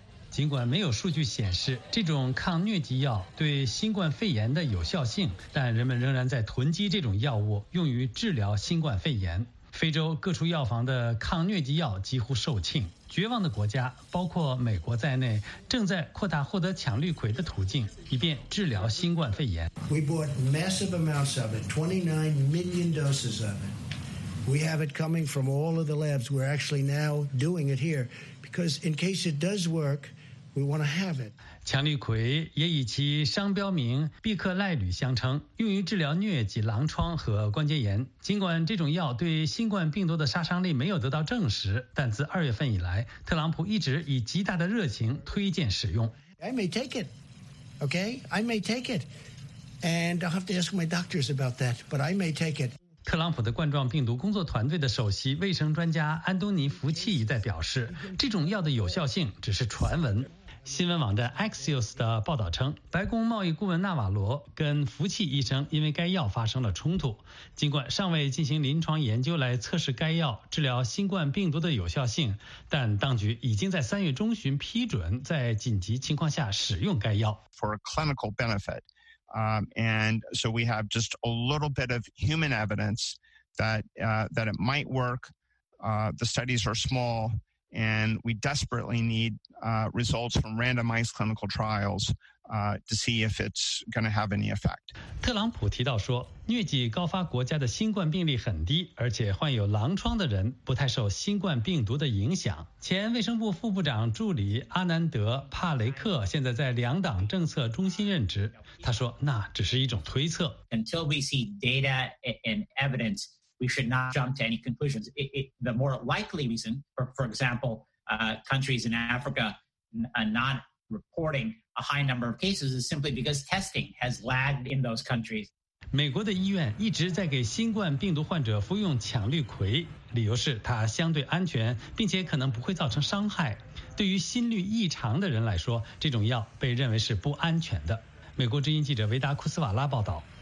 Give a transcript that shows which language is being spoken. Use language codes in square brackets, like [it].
[zh] 尽管没有数据显示这种抗疟疾药对新冠肺炎的有效性，但人们仍然在囤积这种药物用于治疗新冠肺炎。非洲各处药房的抗疟疾药几乎售罄，绝望的国家包括美国在内正在扩大获得强氯喹的途径，以便治疗新冠肺炎。 [en] We bought massive amounts of it, 29 million doses of it. We have it coming from all of the labs. We're actually now doing it here because in case it does work,We want to have it. [zh] 强氯喹也以其商标名必克赖吕相称，用于治疗疟疾、狼疮和关节炎。尽管这种药对新冠病毒的杀伤力没有得到证实，但自二月份以来，特朗普一直以极大的热情推荐使用。 [en] I may take it, okay? I may take it, and I'll have to ask my doctors about that, but I may take it. [zh] 特朗普的冠状病毒工作团队的首席卫生专家安东尼·福奇一再表示，这种药的有效性只是传闻。新闻网站 Axios 的报道称，白宫贸易顾问纳瓦罗跟福奇医生因为该药发生了冲突。尽管尚未进行临床研究来测试该药治疗新冠病毒的有效性，但当局已经在三月中旬批准在紧急情况下使用该药。 [en] For a clinical benefit. And so we have just a little bit of human evidence that it might work. The studies are small, and we desperately need results from randomized clinical trials to see if it's going to have any effect. [zh] 特朗普提到说，疟疾高发国家的新冠病例很低，而且患有狼疮的人不太受新冠病毒的影响。前卫生部副部长助理阿南德·帕雷克现在在两党政策中心任职。他说，那只是一种推测。 [en] Until we see data and evidence, we should not jump to any conclusions. The more likely reason, for example, countries in Africa not reporting a high number of cases is simply because testing has lagged in those countries. [zh] 美国的医院一直在给新冠病毒患者服用强氯喹，理由是它相对安全，并且可能不会造成伤害。对于心律异常的人来说，这种药被认为是不安全的。美国之音记者维达库斯瓦拉报道。